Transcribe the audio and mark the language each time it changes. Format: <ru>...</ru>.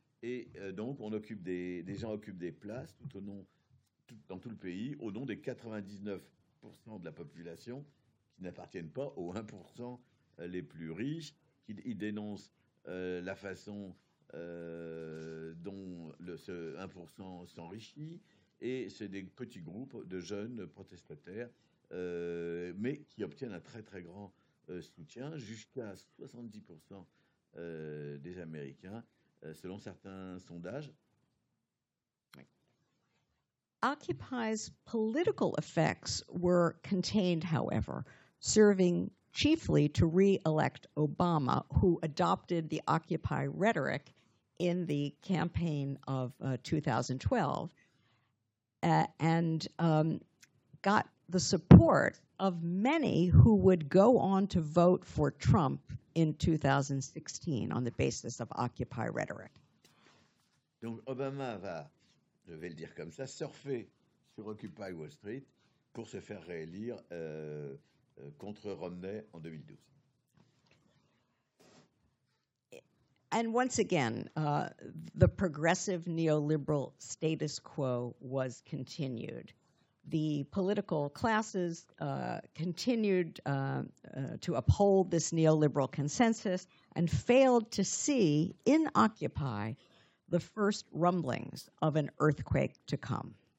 <fr>Et donc, on occupe des gens occupent des places dans tout le pays, au nom des 99% de la population qui n'appartiennent pas aux 1% les plus riches, qui dénoncent la façon dont ce 1% s'enrichit, et c'est des petits groupes de jeunes protestataires, mais qui obtiennent un très très grand soutien, jusqu'à 70% des Américains, selon certains sondages.</fr> <en>Occupy's political effects were contained, however, serving chiefly to re-elect Obama, who adopted the Occupy rhetoric in the campaign of 2012, and got the support of many who would go on to vote for Trump in 2016 on the basis of Occupy rhetoric.</en> <fr>Donc Obama va, je vais le dire comme ça, surfer sur Occupy Wall Street pour se faire réélire contre Romney en 2012.</fr> <en>And once again, the progressive neoliberal status quo was continued. The political classes continued to uphold this neoliberal consensus and failed to see in Occupy the first rumblings of an earthquake to come.</en>